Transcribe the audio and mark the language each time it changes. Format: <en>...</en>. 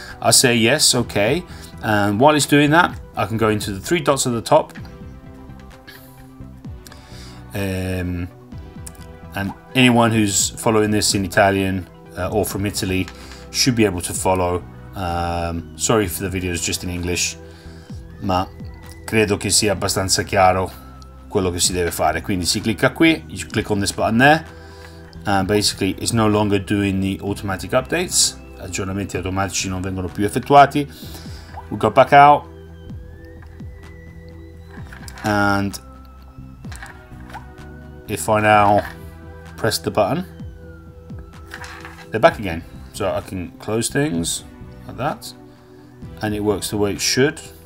<en>I say yes, okay. And while it's doing that, I can go into the three dots at the top. And anyone who's following this in Italian or from Italy should be able to follow. Sorry for the video is just in English,</en> <it>ma credo che sia abbastanza chiaro quello che si deve fare. Quindi si clicca qui,</it> <en>you click on this button there, and basically it's no longer doing the automatic updates.</en> <it>Aggiornamenti automatici non vengono più effettuati.</it> <en>We go back out, and if I now press the button, they're back again. So I can close things like that, and it works the way it should.</en>